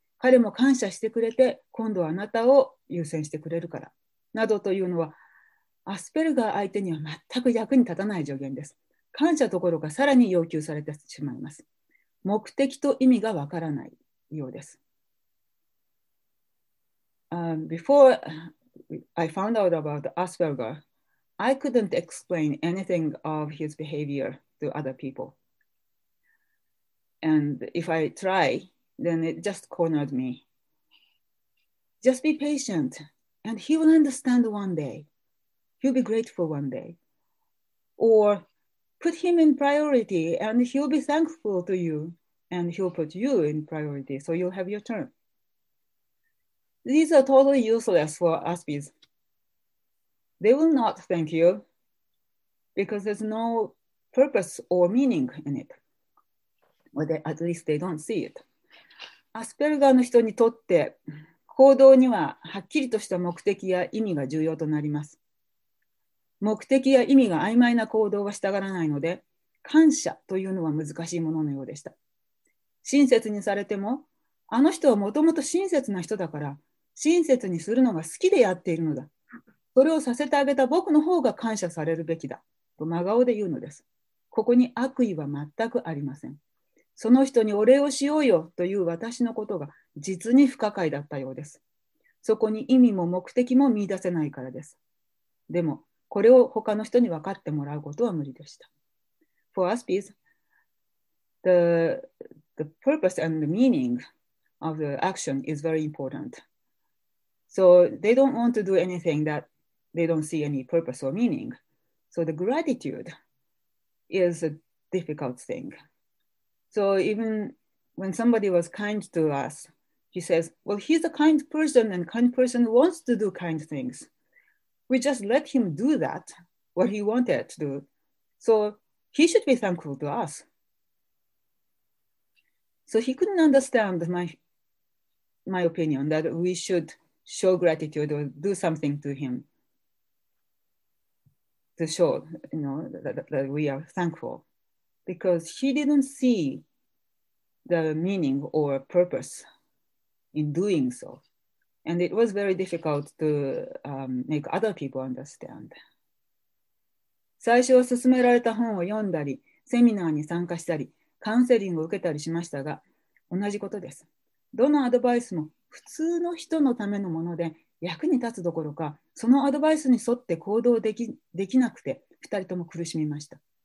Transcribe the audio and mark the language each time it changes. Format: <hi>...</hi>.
<ja>彼も感謝してくれて今度はあなたを優先してくれるからなどというのはアスペルガー相手には全く役に立たない助言です。感謝どころかさらに要求されてしまいます。目的と意味がわからないようです。</ja> <en>Before I found out about Asperger, I couldn't explain anything of his behavior to other people. And if I try, then it just cornered me. Just be patient, and he will understand one day. He'll be grateful one day. Or put him in priority, and he'll be thankful to you. And he'll put you in priority, so you'll have your turn. These are totally useless for Aspies. They will not thank you because there's no purpose or meaning in it. Or they, at least they don't see it.</en> <ja>アスペルガーの人にとって行動にははっきりとした目的や意味が重要となります。目的や意味が曖昧な行動はしたがらないので、感謝というのは難しいもののようでした。親切にされても、あの人はもともと親切な人だから、親切にするのが好きでやっているのだ。それをさせてあげた僕の方が感謝されるべきだ、と真顔で言うのです。ここに悪意は全くありません。その人にお礼をしようよという私のことが実に不可解だったようです。そこに意味も目的も見出せないからです。でも、これを他の人に分かってもらうことは無理でした。</ja> <en>For us, please, the purpose and the meaning of the action is very important. So they don't want to do anything that they don't see any purpose or meaning. So the gratitude is a difficult thing. So even when somebody was kind to us, he says, well, he's a kind person and kind person wants to do kind things. We just let him do that, what he wanted to do. So he should be thankful to us. So he couldn't understand my opinion that we should show gratitude or do something to him to show, you know, that we are thankful because he didn't see the meaning or purpose in doing so. And it was very difficult to make other people understand.</en> <ja>最初は勧められた本を読んだり、セミナーに参加したり、カウンセリングを受けたりしましたが、同じことです。どのアドバイスも普通の人のためのもので役に立つどころか、そのアドバイスに沿って行動できなくて、二人とも苦しみました。</ja>